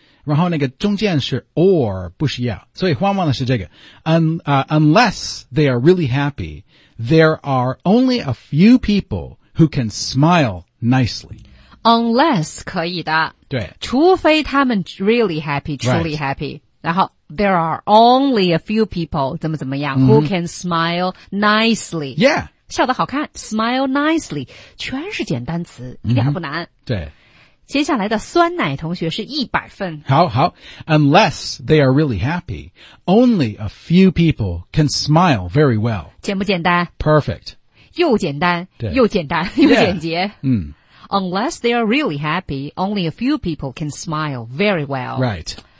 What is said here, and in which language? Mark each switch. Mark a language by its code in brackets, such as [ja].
[zh] 然后那个中间是 or, 不是要。所以换完了是这个。 [en] Unless they are really happy, there are only a few people who can smile nicely. [zh] Unless 可以的。对。除非他们 [en] really happy, truly、 right. happy. [zh] 然后 [en] There are only a few people, [zh] 怎么怎么样、 [en] mm-hmm. who can smile nicely. Yeah. [zh] 笑得好看 [en] smile nicely. [zh] 全是简单词、mm-hmm. 一点不难。对。接下来的酸奶同学是100分。好好。 [en] Unless they are really happy, only a few people can smile very well. [zh] 简不简单 [en] ?Perfect. [zh] 又简单对又简单又简洁。 [en] Yeah. 嗯。 Unless they are really happy, only a few people can smile very well. Right.